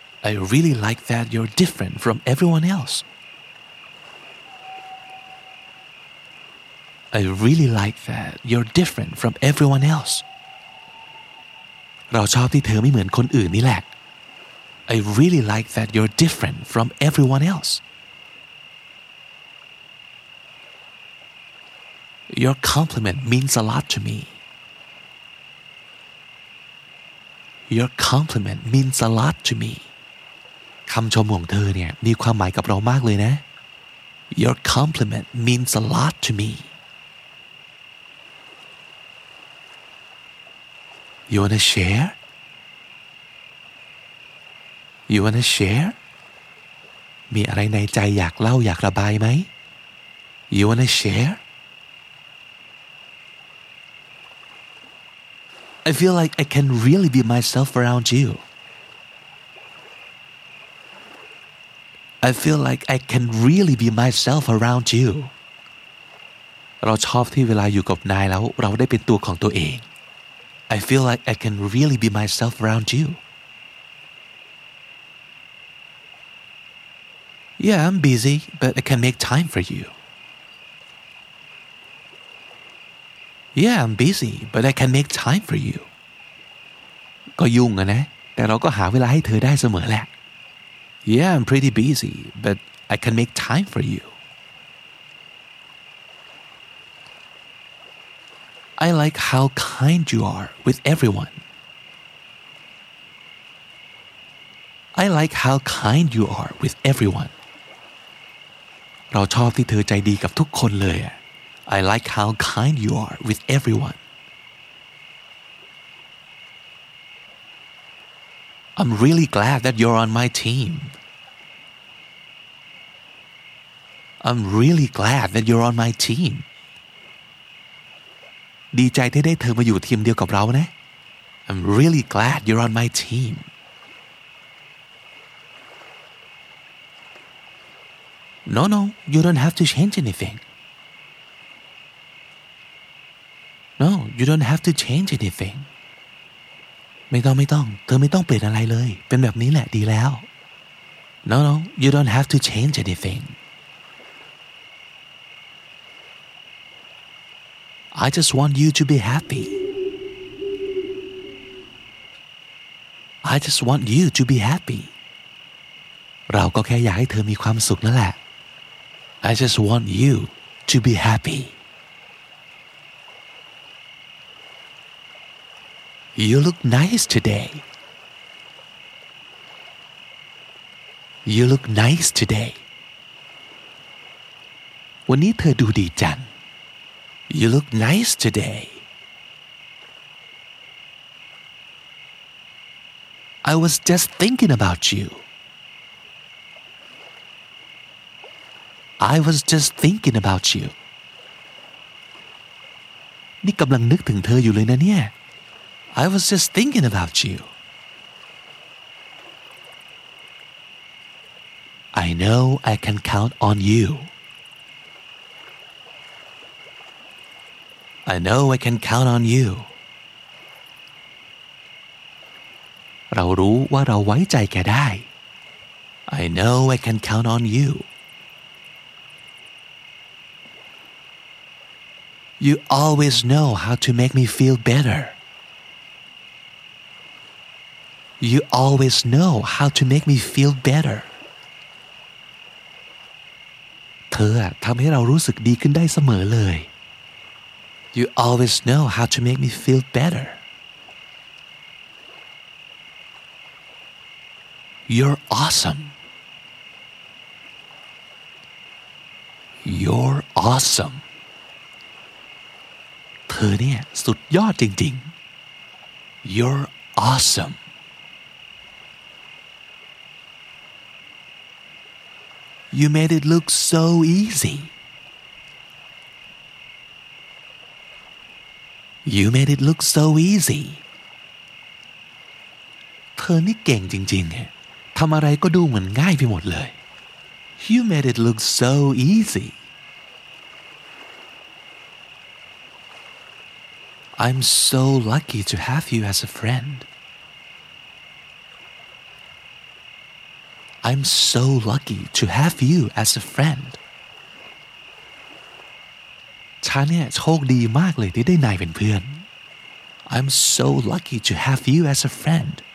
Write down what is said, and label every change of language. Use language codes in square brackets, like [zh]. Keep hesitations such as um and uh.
[en] I really like that you're different from everyone else I really like that you're different from everyone else [th] เราชอบที่เธอไม่เหมือนคนอื่นนี่แหละ [en] I really like that you're different from everyone else Your compliment means a lot to me. Your compliment means a lot to me. [th] คำชมของเธอเนี่ยมีความหมายกับเรามากเลยนะ [en] Your compliment means a lot to me You wanna share You wanna share [th] มีอะไรในใจอยากเล่าอยากระบายไหม [en] You wanna share I feel like I can really be myself around you I feel like I can really be myself around you [th] เราชอบที่เวลาอยู่กับนายแล้วเราได้เป็นตัวของตัวเอง [en] I feel like I can really be myself around you Yeah, I'm busy, but I can make time for you. Yeah, I'm busy, but I can make time for you. [th] ก็ยุ่งอะนะ แต่เราก็หาเวลาให้เธอได้เสมอแหละ [en] Yeah, I'm pretty busy, but I can make time for you. I like how kind you are with everyone. I like how kind you are with everyone. [th] เราชอบที่เธอใจดีกับทุกคนเลยอะ [en] I like how kind you are with everyone. I'm really glad that you're on my team. I'm really glad that you're on my team. [th] ดีใจที่ได้เธอมาอยู่ทีมเดียวกับเรานะ [en] I'm really glad you're on my team. No, no, you don't have to change anything. No, you don't have to change anything. [th] ไม่ต้องไม่ต้อง เธอไม่ต้องเปลี่ยนอะไรเลย เป็นแบบนี้แหละดีแล้ว [en] No no you don't have to change anything I just want you to be happy I just want you to be happy [th] เราก็แค่อยากให้เธอมีความสุขนั่นแหละ [en] I just want you to be happy You look nice today. You look nice today. [th] วันนี้เธอดูดีจัง [en] You look nice today. I was just thinking about you. I was just thinking about you. [th] นี่กำลังนึกถึงเธออยู่เลยนะเนี่ย [en] I was just thinking about you. I know I can count on you. I know I can count on you. [th] เรารู้ว่าเราไว้ใจแกได้ [en] I know I can count on you. You always know how to make me feel better. You always know how to make me feel better. [th] เธออะทำให้เรารู้สึกดีขึ้นได้เสมอเลย [en] You always know how to make me feel better. You're awesome. You're awesome. [th] เธอเนี่ยสุดยอดจริงๆ [en] You're awesome. You made it look so easy. You made it look so easy. [th] เธอนี่เก่งจริงๆอะทำอะไรก็ดูเหมือนง่ายไปหมดเลย [en] You made it look so easy. I'm so lucky to have you as a friend. I'm so lucky to have you as a friend [th] ฉันเนี่ยโชคดีมากเลยที่ได้นายเป็นเพื่อน [en] I'm so lucky to have you as a friend